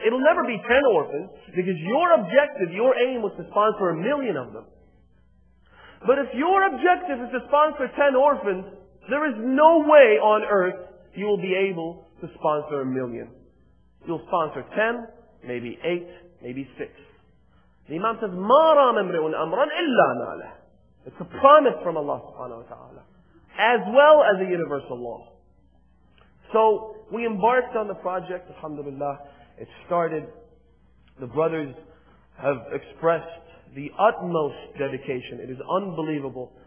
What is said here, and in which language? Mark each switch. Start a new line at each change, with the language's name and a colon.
English: It'll never be 10 orphans, because your objective, your aim was to sponsor 1 million of them. But if your objective is to sponsor 10 orphans, there is no way on earth you will be able to sponsor 1 million. You'll sponsor 10, maybe 8, maybe 6. The Imam says,
Arabic: مَا رَامَ امْرِئٌ أَمْرًا إِلَّا نَالَهُ.
English: It's a promise from Allah subhanahu wa ta'ala, as well as a universal law. So, we embarked on the project, alhamdulillah. It started. The brothers have expressed the utmost dedication. It is unbelievable.